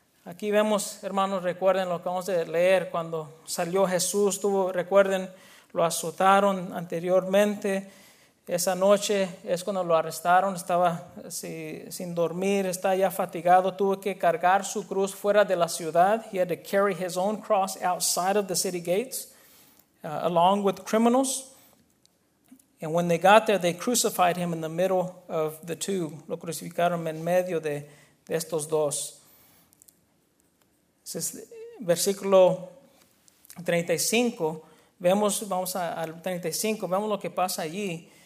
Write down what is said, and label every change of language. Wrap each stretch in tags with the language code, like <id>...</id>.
<es>Aquí vemos, hermanos, recuerden lo que vamos a leer, cuando salió Jesús, tuvo, recuerden, lo azotaron anteriormente. Esa noche es cuando lo arrestaron, estaba sin dormir, está ya fatigado, tuvo que cargar su cruz fuera de la ciudad.</es> <en>He had to carry his own cross outside of the city gates, along with criminals. And when they got there, they crucified him in the middle of the two.</en> <es>Lo crucificaron en medio de estos dos. Versículo 35, vemos lo que pasa allí.</es>